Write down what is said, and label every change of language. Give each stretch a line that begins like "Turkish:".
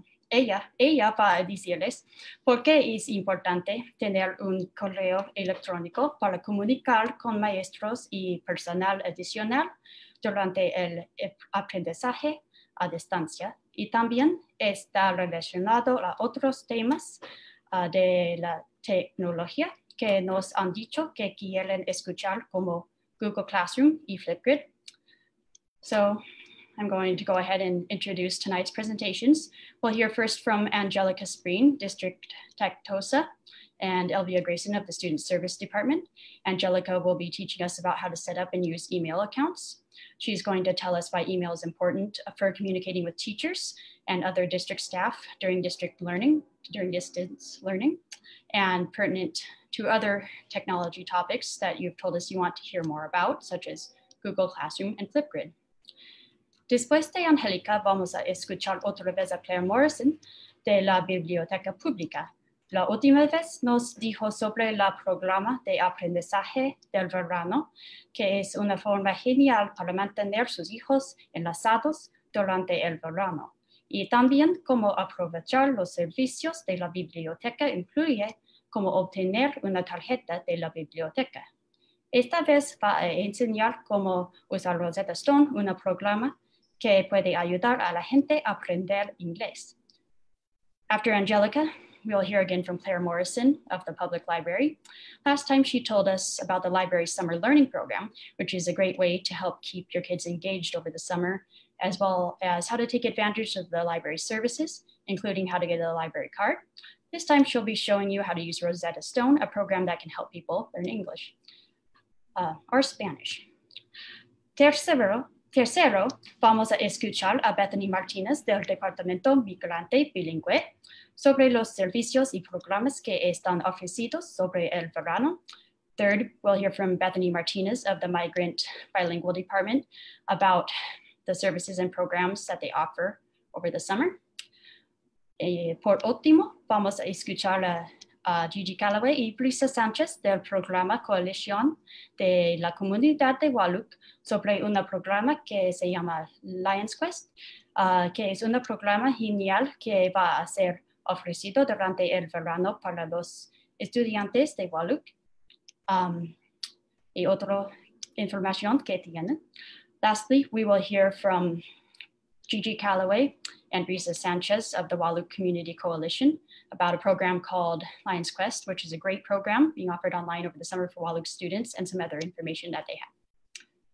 Spanish: ella va a decirles por qué es importante tener un correo electrónico para comunicar con maestros y personal adicional durante el aprendizaje a distancia, y también está relacionado a otros temas de la tecnología que nos han dicho que quieren escuchar, como Google Classroom y Flipgrid.
English: So I'm going to go ahead and introduce tonight's presentations. We'll hear first from Angelica Spreen, District Tech TOSA, and Elvia Grayson of the Student Service Department. Angelica will be teaching us about how to set up and use email accounts. She's going to tell us why email is important for communicating with teachers and other district staff during district learning, during distance learning, and pertinent to other technology topics that you've told us you want to hear more about, such as Google Classroom and Flipgrid.
Spanish: Después de Angelica, vamos a escuchar otra vez a Claire Morrison de la Biblioteca Pública. La última vez nos dijo sobre el programa de aprendizaje del verano, que es una forma genial para mantener sus hijos enlazados durante el verano, y también cómo aprovechar los servicios de la biblioteca, incluye cómo obtener una tarjeta de la biblioteca. Esta vez va a enseñar cómo usar Rosetta Stone, un programa que puede ayudar a la gente a aprender inglés.
English: After Angelica, we'll hear again from Claire Morrison of the Public Library. Last time she told us about the library's summer learning program, which is a great way to help keep your kids engaged over the summer, as well as how to take advantage of the library services, including how to get a library card. This time she'll be showing you how to use Rosetta Stone, a program that can help people learn English or Spanish.
Spanish: Tercero, vamos a escuchar a Bethany Martinez del Departamento Migrante Bilingüe sobre los servicios y programas que están ofrecidos sobre el verano.
English: Third, we'll hear from Bethany Martinez of the Migrant Bilingual Department about the services and programs that they offer over the summer.
Spanish: Por último, vamos a escuchar a Gigi Calloway y Brisa Sánchez del programa Coalición de la Comunidad de Wahluke sobre un programa que se llama Lions Quest, que es un programa genial que va a ser ofrecido durante el verano para los estudiantes de Wahluke. Y otra información que tienen.
English: Lastly, we will hear from Gigi Calloway and Risa Sanchez of the Wahluke Community Coalition about a program called Lions Quest, which is a great program being offered online over the summer for Wahluke students, and some other information that they have.